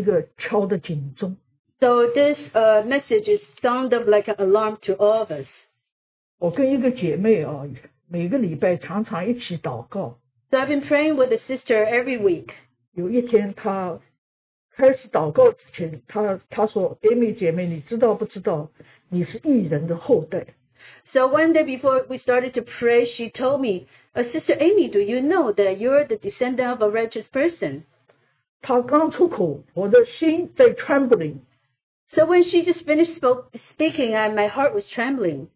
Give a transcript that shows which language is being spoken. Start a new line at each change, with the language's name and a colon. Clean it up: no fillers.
Chinese: 这篇信息对我们每一个弟兄姐妹都是一个敲的警钟.
English: So this message is sound of like an alarm to all of us.
Chinese: 我跟一个姐妹每个礼拜常常一起祷告.
English: So I've been praying with a sister every week.
Chinese: 有一天她 开始祷告之前，他说 ：“Amy 姐妹，你知道不知道，你是义人的后代
English: ？”So one day before we started to pray, she told me, "Sister Amy, do you know that you're the descendant of a righteous person?"
Chinese: 她刚出口，我的心在 trembling.
English: So when she just finished speaking, my heart was trembling.